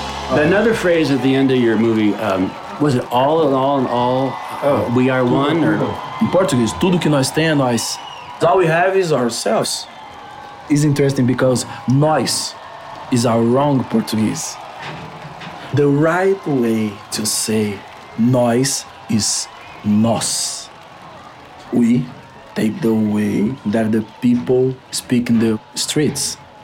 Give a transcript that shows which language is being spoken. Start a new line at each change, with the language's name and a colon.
English: Another phrase at the end of your movie, was it all in all in all, we are one? Or? In Portuguese,
Portuguese: tudo que nós temos é nós.
English: All we have is ourselves. It's interesting because nós is our wrong Portuguese. The right way to say nós is nós. We take the way that the people speak in the streets.